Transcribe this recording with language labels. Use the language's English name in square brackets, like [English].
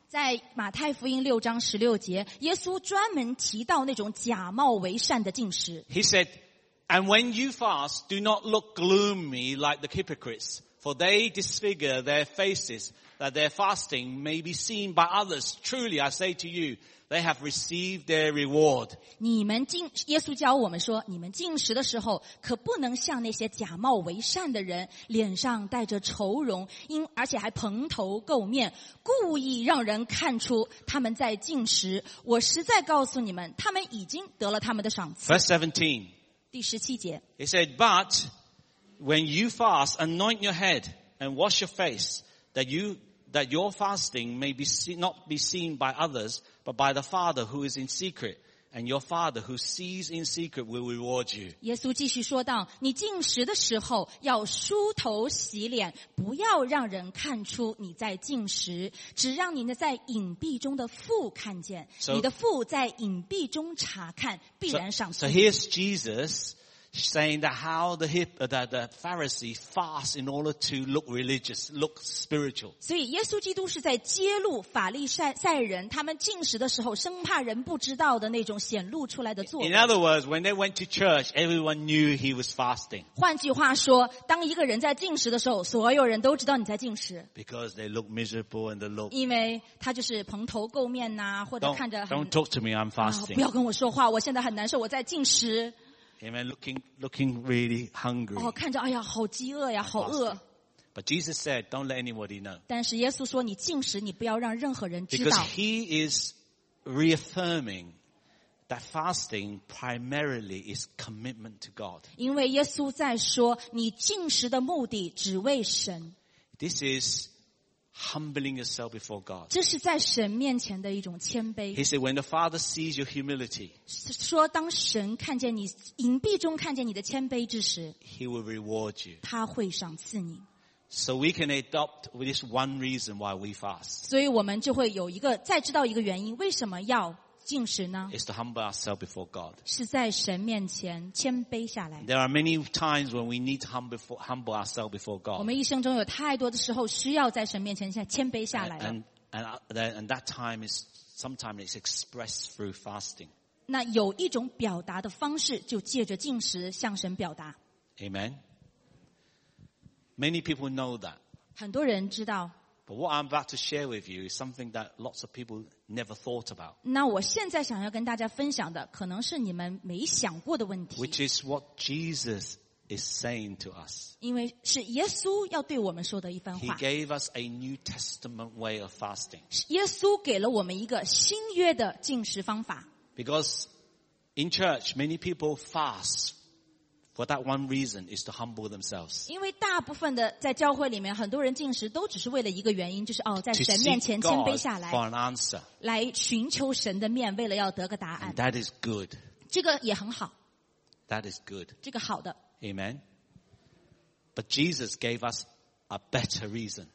[Chinese] 在马太福音6章16节，耶稣专门提到那种假冒为善的禁食。 [English] He said,And when you fast, do not look gloomy like the hypocrites, for they disfigure their faces, that their fasting may be seen by others. Truly, I say to you, they have received their reward. [Chinese] 耶稣教我们说，你们禁食的时候，可不能像那些假冒为善的人，脸上带着愁容，而且还蓬头垢面，故意让人看出他们在禁食。我实在告诉你们，他们已经得了他们的赏赐。 [English] Verse 17. He said, but when you fast, anoint your head and wash your face, that your fasting may be not be seen by others, but by the Father who is in secret, and your Father who sees in secret will reward you. [Chinese] 耶稣继续说道，你进食的时候要梳头洗脸，不要让人看出你在进食，只让你在隐蔽中的父看见。 [English] So, [Chinese] 你的父在隐蔽中查看，必然赏赐。 [English] So here's Jesus. Saying that how the Pharisees fast in order to look religious, look spiritual. [Chinese] 所以耶稣基督是在揭露法利赛人他们禁食的时候生怕人不知道的那种显露出来的作为。 [English] In other words, when they went to church, everyone knew he was fasting. [Chinese] 换句话说，当一个人在禁食的时候，所有人都知道你在禁食。 [English] Because they look miserable and they look. [Chinese] 因为他就是蓬头垢面呐，或者看着很。 [English] Don't talk to me, I'm fasting. [Chinese] 不要跟我说话，我现在很难受，我在禁食。 [English] Amen. Looking really hungry. [Chinese] 哦，看着，哎呀，好饥饿呀，好饿。 [English] But Jesus said, "Don't let anybody know." [Chinese] 但是耶稣说，你禁食，你不要让任何人知道。 [English] Because he is reaffirming that fasting primarily is commitment to God. [Chinese] 因为耶稣在说，你禁食的目的只为神。 [English] This is humbling yourself before God. [Chinese] 这是在神面前的一种谦卑。 [English] He said, "When the Father sees your humility." [Chinese] 说当神看见你隐蔽中看见你的谦卑之时 [English] ，He will reward you. [Chinese] 他会赏赐你。 [English] So we can adopt this one reason why we fast. [Chinese] 所以我们就会有一个再知道一个原因，为什么要禁食呢 [English] ？Is to humble ourselves before God. [Chinese] 是在神面前谦卑下来。 [English] There are many times when we need to humble ourselves before God. [Chinese] 我们一生中有太多的时候需要在神面前谦卑下来。 [English] And that time is sometimes it's expressed through fasting. [Chinese] 那有一种表达的方式，就借着禁食向神表达。 [English] Amen. Many people know that. [Chinese] 很多人知道。 [English] But what I'm about to share with you is something that lots of people never thought about. [Chinese] 那我现在想要跟大家分享的，可能是你们没想过的问题。 [English] Which is what Jesus is saying to us. [Chinese] 因为是耶稣要对我们说的一番话。 [English] He gave us a New Testament way of fasting. [Chinese] 耶稣给了我们一个新约的禁食方法。 [English] Because in church, many people fast. For that one reason is to humble themselves. [Chinese] 因为大部分的在教会里面，很多人进食都只是为了一个原因，就是哦，在神面前谦卑下来 [English] ，to seek God for an answer, [Chinese] 来寻求神的面，为了要得个答案。 [English] And that is good. [Chinese] 这个也很好。 [English] That is good. [Chinese] 这个好的。 [English] Amen. But Jesus gave us a better reason.